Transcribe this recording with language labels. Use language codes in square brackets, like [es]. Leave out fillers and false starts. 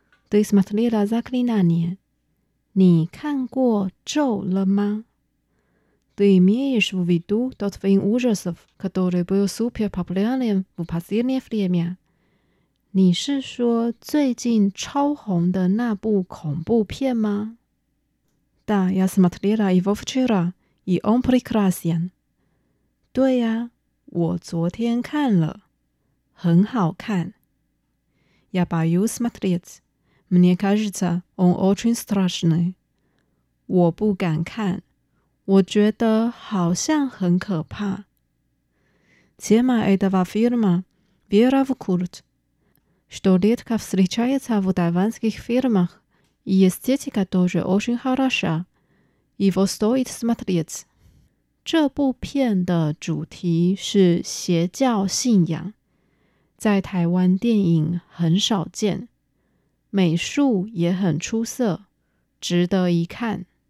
[zh] 你看了《Заклинание》？你看过《咒》了吗？ [ru] Ты имеешь в виду тот фильм ужасов, который был супер популярным в последнее время? [zh] 你是说最近超红的那部恐怖片吗? [ru] Да, я смотрела его вчера, и он прекрасен. [zh] 对呀、啊、我昨天看了。很好看。 [ru] Я боюсь смотреть. Мне кажется, он очень страшный. [zh] 我不敢看。我觉得好像很可怕。 [ru] Тема этого фильма – вера в культ. Что редко встречается в тайваньских фильмах, и эстетика тоже очень хороша. Его стоит смотреть. [zh] 这部片的主题是邪教信仰，在台湾电影很少见，美术也很出色，值得一看。